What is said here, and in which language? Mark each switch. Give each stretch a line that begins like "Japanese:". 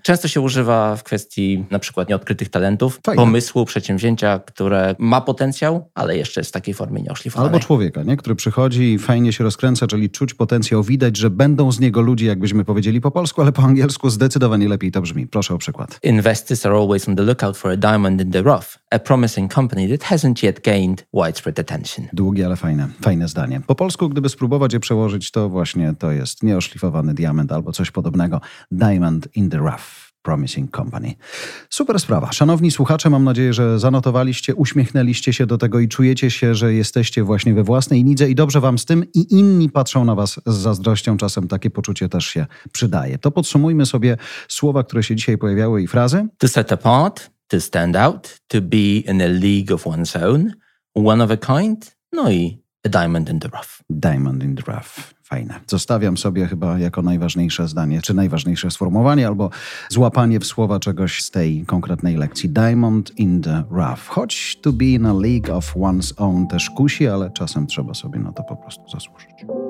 Polish: Często się używa w kwestii na przykład nieodkrytych talentów, fajne. Pomysłu, przedsięwzięcia, które ma potencjał, ale jeszcze jest w takiej formie nieoszlifowanej. Albo człowieka, nie? Który przychodzi i fajnie się rozkręca, czyli czuć potencjał, widać, że będą z niego ludzie, jakbyśmy powiedzieli po polsku, ale po angielsku zdecydowanie lepiej to brzmi. Proszę o przykład.
English: Investors are always on the lookout for a diamond in the rough, a promising company that hasn't yet gained widespread attention.
Polish: Długie, ale fajne. Fajne zdanie. Po polsku, gdyby spróbować je przełożyć, to właśnie to jest nieoszlifowany diament albo coś podobnego.
English: Diamond in the Rough. Promising Company.
Polish: Super sprawa. Szanowni słuchacze, mam nadzieję, że zanotowaliście, uśmiechnęliście się do tego i czujecie się, że jesteście właśnie we własnej nidze i dobrze wam z tym i inni patrzą na was z zazdrością. Czasem takie poczucie też się przydaje. To podsumujmy sobie słowa, które się dzisiaj pojawiały i frazy.
English: To set apart, to stand out, to be in a league of one's own, one of a kind,
Polish: no i
English: a diamond in the rough. Diamond in the rough. Fajne.
Polish: Zostawiam sobie chyba jako najważniejsze zdanie, czy najważniejsze sformułowanie, albo złapanie w słowa czegoś z tej konkretnej lekcji.
English: Diamond in the rough.
Polish: Choć
English: to be in a league of one's own
Polish: też kusi, ale czasem trzeba sobie na to po prostu zasłużyć.